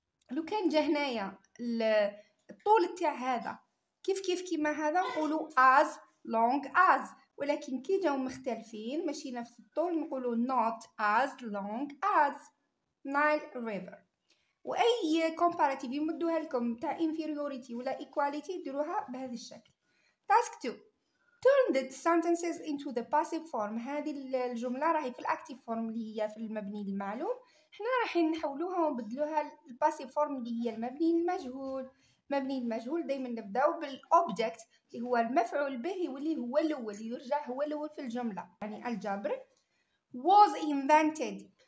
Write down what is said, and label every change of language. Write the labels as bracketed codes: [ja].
[ar] لو كان جا هنايا الطول تاع هذا كيف كيف كيما هذا نقولوا [en] as long as. [ar] ولكن كي جاو مختلفين ماشي نفس الطول نقولوا [en] not as long as Nile River. [ar] واي comparative يمدوها لكم تاع inferiority ولا equality ديروها بهذا الشكل. [en] task 2 turn the sentences into the passive form. [ar] هذه الجملة راهي في الactive form اللي هي في المبني للمعلوم. احنا راح نحولوها ونبدلوها للpassive form اللي هي المبني للمجهول. مبني المجهول دايما نبداو بالأوبجكت اللي هو المفعول به واللي هو الأول يرجع هو الأول في الجملة. يعني الجبر [en] was invented.